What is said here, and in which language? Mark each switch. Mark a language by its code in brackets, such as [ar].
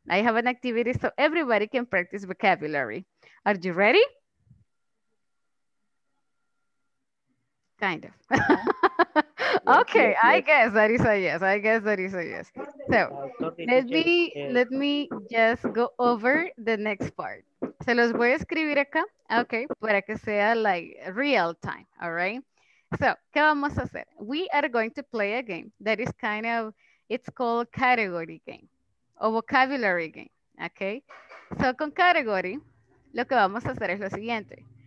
[en] I have an activity so everybody can practice vocabulary. Are you ready? Kind of. Okay, yes. I guess that is a yes. So let me just go over the next part. [es] Se los voy a escribir acá, okay, para que sea [en] like real time, all right? [es] So, ¿qué vamos a hacer? [en] We are going to play a game that is kind of, it's called category game or vocabulary game, okay? [es] So, con category, lo que vamos a hacer es lo siguiente.